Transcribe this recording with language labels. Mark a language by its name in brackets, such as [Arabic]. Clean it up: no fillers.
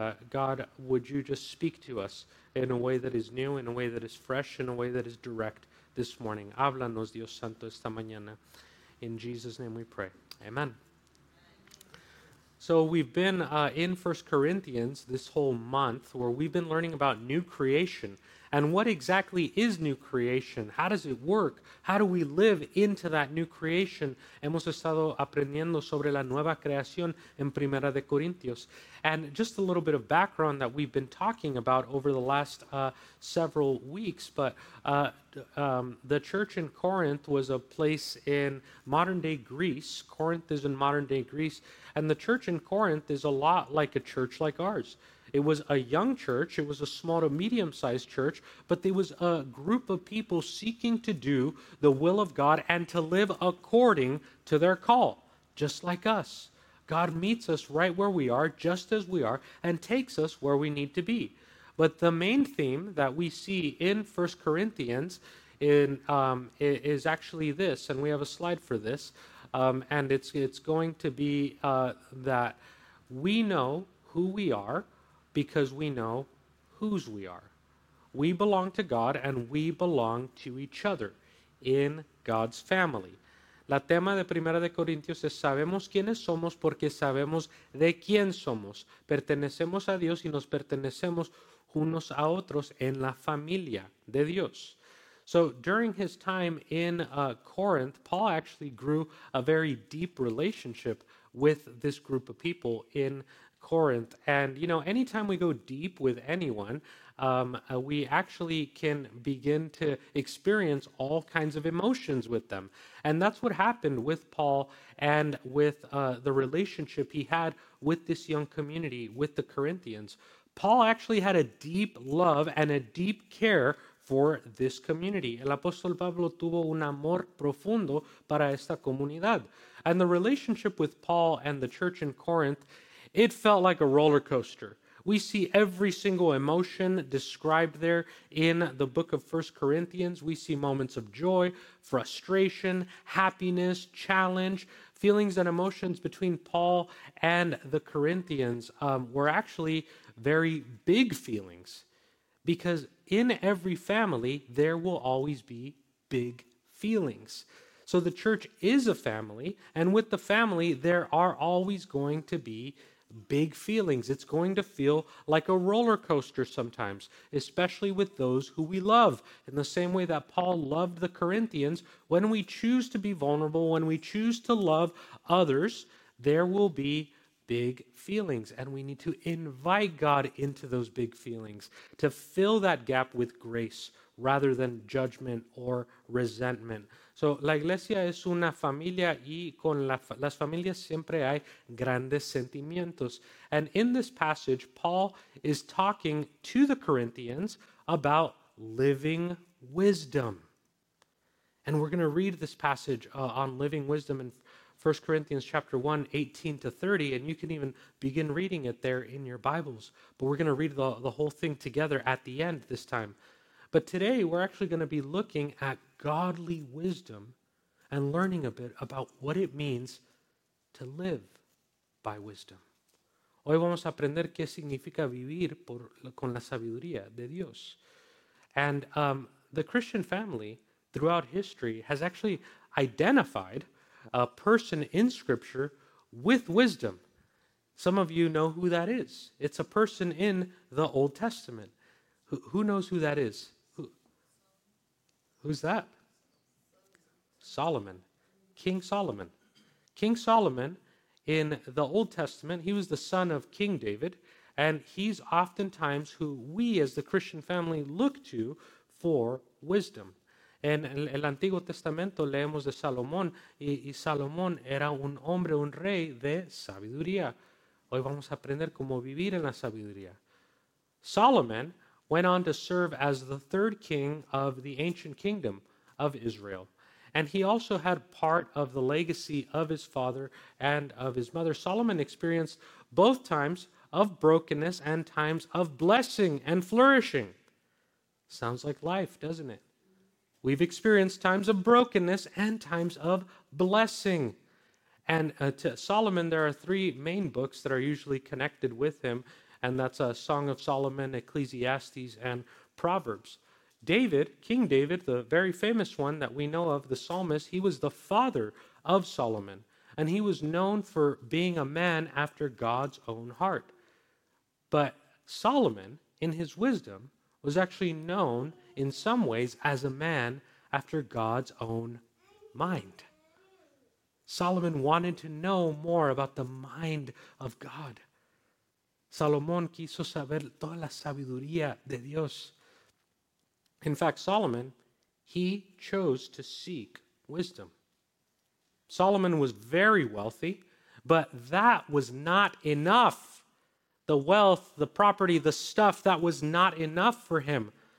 [English] God, would you just speak to us in a way that is new, in a way that is fresh, in a way that is direct this morning. [Spanish] Háblanos, Dios Santo, esta mañana. [English] In Jesus' name we pray. Amen. So we've been in 1 Corinthians this whole month, where we've been learning about new creation. And what exactly is new creation? How does it work? How do we live into that new creation? [Spanish] Hemos estado aprendiendo sobre la nueva creación en Primera de Corintios. [English] And just a little bit of background that we've been talking about over the last several weeks, but the church in Corinth was a place in modern-day Greece. Corinth is in modern-day Greece. And the church in Corinth is a lot like a church like ours. It was a young church, it was a small to medium-sized church, but there was a group of people seeking to do the will of God and to live according to their call, just like us. God meets us right where we are, just as we are, and takes us where we need to be. But the main theme that we see in 1 Corinthians is actually this, and we have a slide for this, and it's going to be that we know who we are, because we know whose we are. We belong to God and we belong to each other in God's family. [Spanish] La tema de Primera de Corintios es sabemos quiénes somos porque sabemos de quién somos. Pertenecemos a Dios y nos pertenecemos unos a otros en la familia de Dios. [English] So during his time in Corinth, Paul actually grew a very deep relationship with this group of people in Corinth. And, you know, anytime we go deep with anyone, we actually can begin to experience all kinds of emotions with them. And that's what happened with Paul and with the relationship he had with this young community, with the Corinthians. Paul actually had a deep love and a deep care for this community. [Spanish] El apóstol Pablo tuvo un amor profundo para esta comunidad. [English] And the relationship with Paul and the church in Corinth, it felt like a roller coaster. We see every single emotion described there in the book of 1 Corinthians. We see moments of joy, frustration, happiness, challenge. Feelings and emotions between Paul and the Corinthians were actually very big feelings, because in every family, there will always be big feelings. So the church is a family, and with the family, there are always going to be big feelings. It's going to feel like a roller coaster sometimes, especially with those who we love. In the same way that Paul loved the Corinthians, when we choose to be vulnerable, when we choose to love others, there will be big feelings. And we need to invite God into those big feelings to fill that gap with grace rather than judgment or resentment. [Spanish] So, la iglesia es una familia y con las familias siempre hay grandes sentimientos. [English] And in this passage, Paul is talking to the Corinthians about living wisdom. And we're going to read this passage on living wisdom in 1 Corinthians chapter 1, 18 to 30, and you can even begin reading it there in your Bibles. But we're going to read the whole thing together at the end this time. But today, we're actually going to be looking at godly wisdom and learning a bit about what it means to live by wisdom. [Spanish] Hoy vamos a aprender qué significa vivir con la sabiduría de Dios. [English] And the Christian family throughout history has actually identified a person in Scripture with wisdom. Some of you know who that is. It's a person in the Old Testament. Who knows who that is? Who's that? Solomon. King Solomon. King Solomon, in the Old Testament, he was the son of King David, and he's oftentimes who we as the Christian family look to for wisdom. [Spanish] En el Antiguo Testamento leemos de Salomón, y Salomón era un hombre, un rey de sabiduría. Hoy vamos a aprender cómo vivir en la sabiduría. [English] Solomon went on to serve as the third king of the ancient kingdom of Israel. And he also had part of the legacy of his father and of his mother. Solomon experienced both times of brokenness and times of blessing and flourishing. Sounds like life, doesn't it? We've experienced times of brokenness and times of blessing. And to Solomon, there are three main books that are usually connected with him. And that's a Song of Solomon, Ecclesiastes, and Proverbs. David, King David, the very famous one that we know of, the psalmist, he was the father of Solomon. And he was known for being a man after God's own heart. But Solomon, in his wisdom, was actually known in some ways as a man after God's own mind. Solomon wanted to know more about the mind of God. [Spanish] Salomón quiso saber toda la sabiduría de Dios. [English] In fact, Solomon, he chose to seek wisdom. Solomon was very wealthy, but that was not enough. The wealth, the property, the stuff, that was not enough for him.